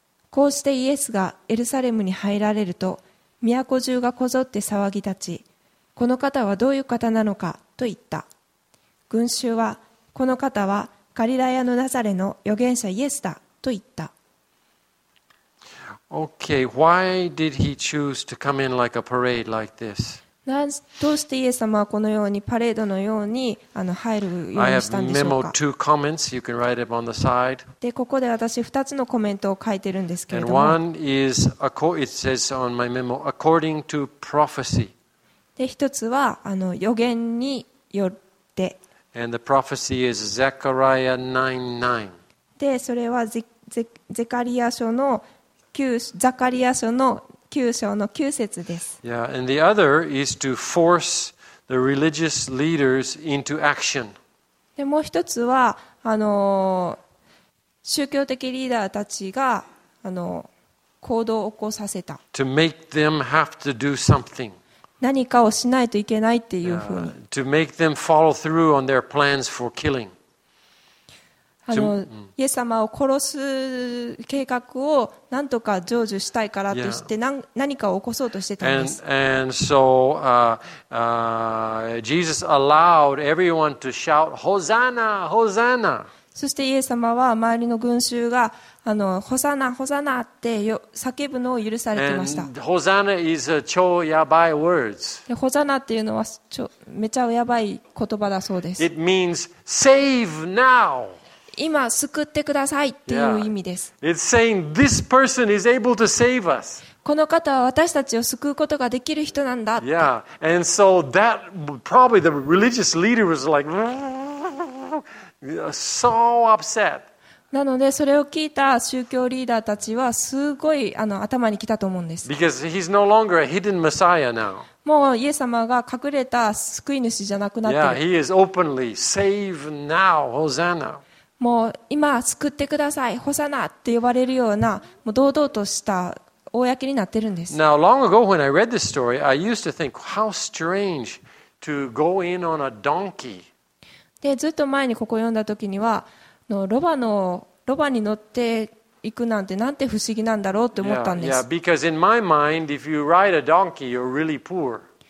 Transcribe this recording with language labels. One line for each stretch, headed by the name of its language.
Japanese: こうしてイエスがエルサレムに入られると、都中がこぞって騒ぎ立ち、この方はどういう方なのかと言った。群衆は、この方はガリラヤのナザレの預言者イエスだと言った。
English: Okay, why did he choose to come in like a parade like this?
Japanese: どうしてイエス様はこのようにパレードのようにあの入るようにしたんでしょうか。
English: I have memo two comments. You can write it on the side.
Japanese: で、ここで私2つのコメントを書いてるんですけれども。
English: And one is it says on my memo according to prophecy.
Japanese: で、一つはあの予言によって。
English: And the prophecy is Zechariah 9:9.
Japanese: で、それはゼカリア書の9章の9節です。
English: Yeah, and the other is to force the religious leaders into action.
Japanese: で、もう一つはあの宗教的リーダーたちがあの行動を起こさせた。
English: To make them have to do something.
Japanese: 何かをしないといけないっていうふうに。
English: To make them follow through on their plans for killing.
Japanese: あの、イエス様を殺す計画を何とか成就したいからとして何かを起こそうとしてたんです。
English: And so, Jesus allowed everyone to shout, Hosanna! Hosanna!
Japanese: そしてイエス様は周りの群衆が、あの、ホサナ、ホサナって叫ぶのを許されていました。
English: ホサナ is a
Japanese: 超やばい
English: words.
Japanese: ホサナっていうのはめちゃやばい言葉だそうです。
English: It means save now.
Japanese: 今救ってくださいっていう意味です。
English: Yeah. It's saying this person is able to save us.
Japanese: この方は私たちを救うことができる人なんだ。
English: Yeah. And so that probably the religious leader was like,So upset.
Japanese: なのでそれを聞いた宗教リーダーたちはすごいあの頭に来たと思うんです。
English: Because he's no longer a hidden messiah now.
Japanese: もうイエス様が隠れた救い主じゃなくなってる。
English: Yeah, he is openly save now, Hosanna.
Japanese: もう今救ってください、ホサナって呼ばれるような、もう堂々とした公になっているんです。
English: Now, long ago when I read this story, I used to think, how strange to go in on a donkey.
Japanese: で、ずっと前にここを読んだときには、ロバに乗って行くなんてなんて不思議なんだろうって思ったんです。
English: Yeah, yeah, because in my mind, if you ride a donkey, you're really poor.